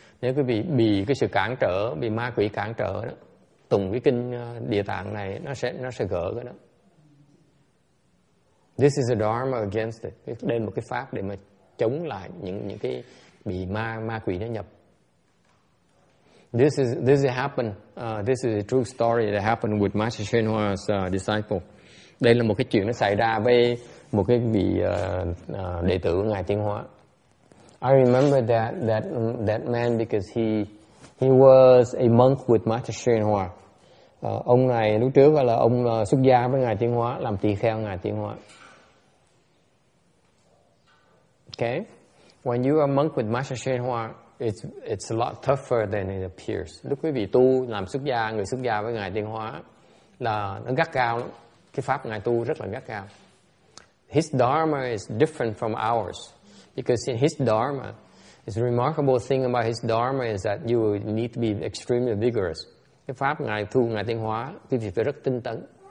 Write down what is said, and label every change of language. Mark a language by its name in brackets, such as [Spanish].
[Vietnamese] Nếu quý vị bị cái sự cản trở, bị ma quỷ cản trở đó, tụng cái kinh Địa Tạng này nó sẽ gỡ cái đó. [English] This is a dharma against it. [Vietnamese] Đây là một cái pháp để mà chống lại những cái bị ma quỷ nó nhập. [English] This is a true story that happened with Master Shen Hua's disciple. [Vietnamese] Đây là một cái chuyện nó xảy ra với một cái vị đệ tử của ngài Tiên Hóa. [English] I remember that man because he was a monk with Master Shen Hua. [Vietnamese] Ông này lúc trước là ông xuất gia với ngài Tiên Hóa, làm tỳ kheo ngài Tiên Hóa. [English] Okay, when you are monk with Master Shen Hua, it's a lot tougher than it appears. [Vietnamese] Lúc quý vị tu làm xuất gia, người xuất gia với ngài Tiên Hóa là nó gắt gao lắm. Cái pháp ngài tu rất là gắt gao. [English] His dharma is different from ours, because in his dharma, it's a remarkable thing about his dharma is that you need to be extremely vigorous. [Vietnamese] Cái pháp ngài tu ngài Tiên Hóa, quý vị phải rất tinh tấn.